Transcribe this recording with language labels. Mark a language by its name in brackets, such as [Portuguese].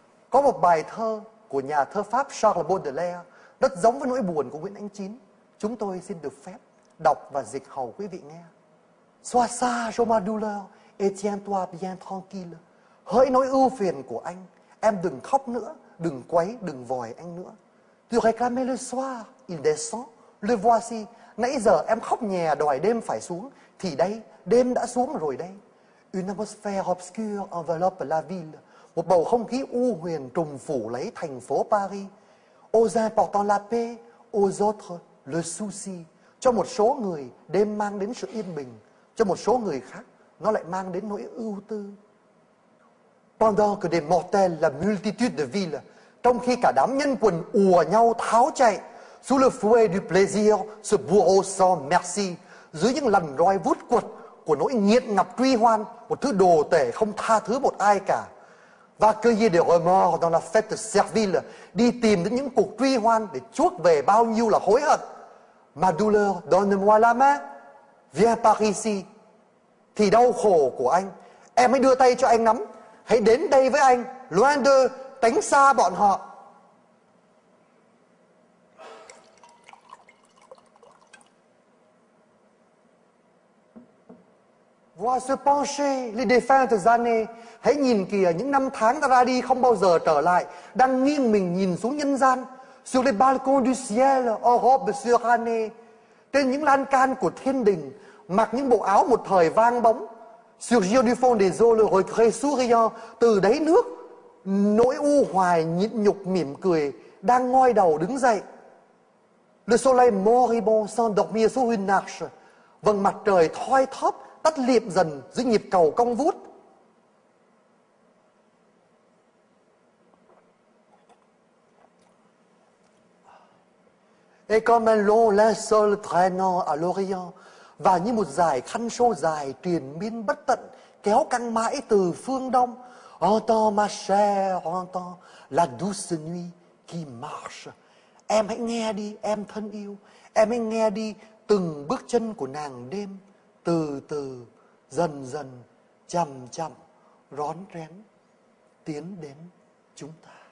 [Vietnamese] Có một bài thơ của nhà thơ Pháp Charles Baudelaire rất giống với nỗi buồn của Nguyễn Ánh Chín. Chúng tôi xin được phép đọc và dịch hầu quý vị nghe. [French] Sois ça, je ma douleur, et tiens-toi bien tranquille. [Vietnamese] Hỡi nỗi ưu phiền của anh, em đừng khóc nữa, đừng quấy, đừng vòi anh nữa. [French] Tu réclamais le soir, il descend, le voici. [Vietnamese] Nãy giờ em khóc nhè đòi đêm phải xuống, thì đây, đêm đã xuống rồi đây. [French] Une atmosphère obscure enveloppe la ville. [Vietnamese] Một bầu không khí u huyền trùng phủ lấy thành phố Paris. [French] Aux importants la paix, aux autres le souci. [Vietnamese] Cho một số người, đêm mang đến sự yên bình. Cho một số người khác, nó lại mang đến nỗi ưu tư. [French] Pendant que des mortels, la multitude de villes, [Vietnamese] trong khi cả đám nhân quần ùa nhau tháo chạy, [French] sous le fouet du plaisir, ce bourreau sans merci, [Vietnamese] dưới những lằn roi vút quật của nỗi nghiện ngập truy hoan, một thứ đồ tể không tha thứ một ai cả. [French] Va cueillir des remords dans la fête de Serville, [Vietnamese] đi tìm đến những cuộc truy hoan để chuốc về bao nhiêu là hối hận. [French] Ma douleur, donne-moi la main, viens par ici. [Vietnamese] Thì đau khổ của anh, em hãy đưa tay cho anh nắm, hãy đến đây với anh, [French] loin de, [Vietnamese] tránh xa bọn họ. [French] Vois se pencher les défuntes années. [Vietnamese] Hãy nhìn kìa những năm tháng ta ra đi không bao giờ trở lại, đang nghiêng mình nhìn xuống nhân gian. [French] Sur les balcons du ciel, en robe surannée. [Vietnamese] Trên những lan can của thiên đình, mặc những bộ áo một thời vang bóng. [French] Surgir du fond des eaux, le regret souriant. [Vietnamese] Từ đáy nước, nỗi u hoài nhịn nhục mỉm cười, đang ngoi đầu đứng dậy. [French] Le soleil moribond s'endormir sous une arche. [Vietnamese] Vầng mặt trời thoi thóp, tắt liệm dần dưới nhịp cầu cong vút. [French] Et comme un long linceul traînant à l'Orient. [Vietnamese] Và như một dải khăn sô dài triền miên bất tận, kéo căng mãi từ phương đông. [French] Entends ma chère, entends la douce nuit qui marche. [Vietnamese] Em hãy nghe đi, em thân yêu. Em hãy nghe đi từng bước chân của nàng đêm, từ từ, dần dần, chậm chậm, rón rén tiến đến chúng ta.